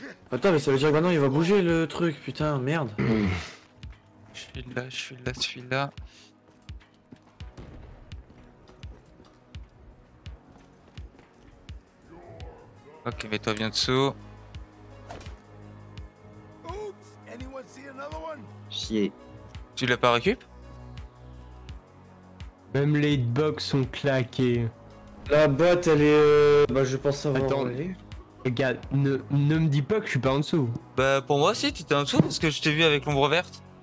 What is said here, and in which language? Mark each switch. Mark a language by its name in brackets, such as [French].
[French] Attends, mais ça veut dire que maintenant il va bouger le truc. Putain, merde. Je suis là. Ok, mets-toi bien dessous. [English] Oups, anyone see another one? [French] Chier. Tu l'as pas récup? Même les hitbox sont claqués. La boîte, elle est... Bah, je pense avoir... Attends, regarde, ne me dis pas que je suis pas en dessous. Bah, pour moi, si, t'étais en dessous, parce que je t'ai vu avec l'ombre verte.